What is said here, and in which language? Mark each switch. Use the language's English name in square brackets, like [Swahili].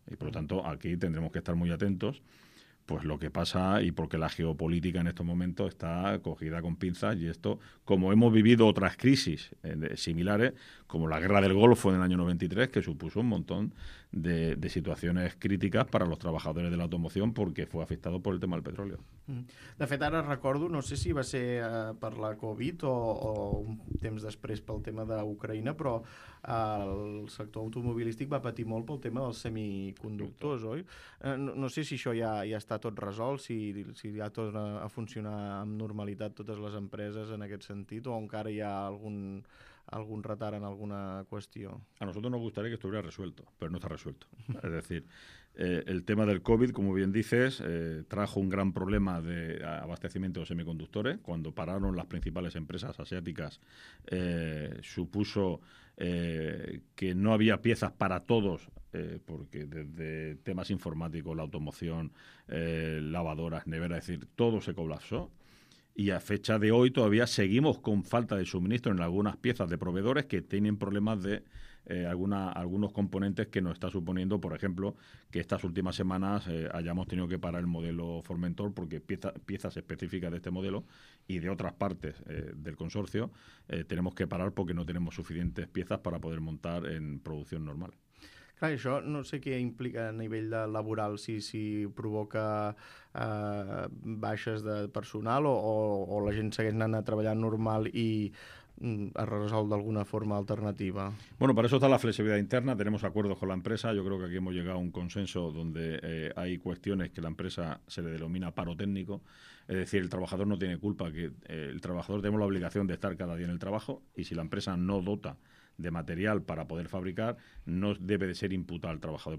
[Spanish] Y, por lo tanto, aquí tendremos que estar muy atentos pues lo que pasa y porque la geopolítica en estos momentos está cogida con pinzas y esto, como hemos vivido otras crisis similares, como la guerra del Golfo en el año 93, que supuso un montón de situaciones críticas para los trabajadores de la automoción porque fue afectado por el tema del petróleo. [Catalan] De fet, ara recordo, no sé si va ser per la Covid o un temps després pel tema d'Ucraïna, però el sector automobilístic va patir molt pel tema dels semiconductors, oi? No sé si això ja està tot resolt, si ja torna a funcionar amb normalitat totes les empreses en aquest sentit o encara hi ha algún retard en alguna cuestión. [Spanish] A nosotros nos gustaría que estuviera resuelto, pero no está resuelto. Es decir, el tema del COVID, como bien dices, trajo un gran problema de abastecimiento de semiconductores. Cuando pararon las principales empresas asiáticas, supuso que no había piezas para todos, porque desde temas informáticos, la automoción, lavadoras, neveras, es decir, todo se colapsó. Y a fecha de hoy todavía seguimos con falta de suministro en algunas piezas de proveedores que tienen problemas de algunos componentes que nos está suponiendo, por ejemplo, que estas últimas semanas hayamos tenido que parar el modelo Formentor porque piezas específicas de este modelo y de otras partes del consorcio tenemos que parar porque no tenemos suficientes piezas para poder montar en producción normal. [Catalan] Clar, això no sé què implica a nivell de laboral, si provoca baixes de personal o la gent segueix anant a treballar normal i es resol de alguna forma alternativa. [Spanish] Bueno, para eso está la flexibilidad interna. Tenemos acuerdos con la empresa. Yo creo que aquí hemos llegado a un consenso donde hay cuestiones que la empresa se le denomina paro técnico. Es decir, el trabajador no tiene culpa. El trabajador tenemos la obligación de estar cada día en el trabajo y si la empresa no dota de material para poder fabricar, no debe de ser imputado al trabajador.